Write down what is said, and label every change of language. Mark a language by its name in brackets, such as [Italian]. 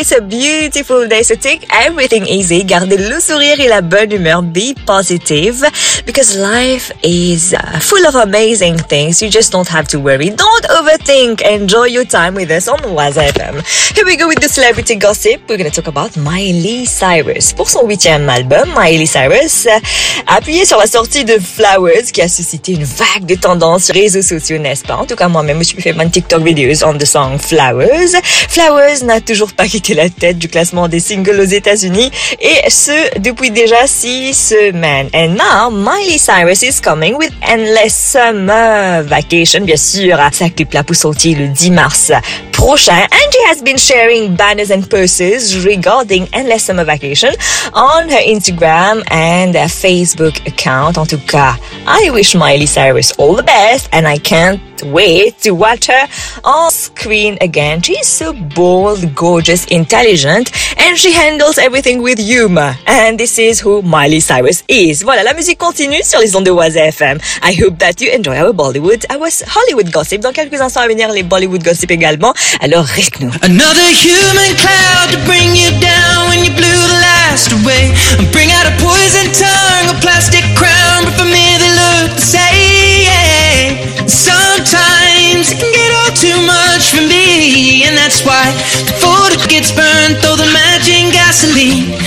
[English] It's a beautiful day, so take everything easy. [French] Gardez le sourire et la bonne humeur. [English] Be positive because life is full of amazing things. You just don't have to worry. Don't overthink. Enjoy your time with us on Oise FM. Here we go with the celebrity gossip. We're going to talk about Miley Cyrus. [French] Pour son 8e album, Miley Cyrus a appuyé sur la sortie de Flowers qui a suscité une vague de tendances sur les réseaux sociaux, n'est-ce pas? En tout cas, moi-même, je fais mon [English] TikTok videos on the song Flowers. [French] Flowers n'a toujours pas quitté la tête du classement des singles aux États-Unis et ce depuis déjà 6 semaines. [English] And now, Miley Cyrus is coming with Endless Summer Vacation, [French] bien sûr. Sa clip là pour sortir le 10 mars prochain. [English] And she has been sharing banners and posters regarding Endless Summer Vacation on her Instagram and her Facebook account. [French] En tout cas, [English] I wish Miley Cyrus all the best and I can't wait to watch her on screen again. She's so bold, gorgeous, intelligent, and she handles everything with humor. And this is who Miley Cyrus is. [French] Voilà, la musique continue sur les ondes de Oise FM. [English] I hope that you enjoy our Bollywood, our Hollywood gossip. [French] Dans quelques instants à venir, les Bollywood gossip également. Alors, reste-nous. [English] Another human cloud to bring you down when you blew the last away. Bring out a poison tongue, a plastic crown, but for me they look the same. Sometimes it can get all too much for me, and that's why the photo gets burned, throw the match in gasoline.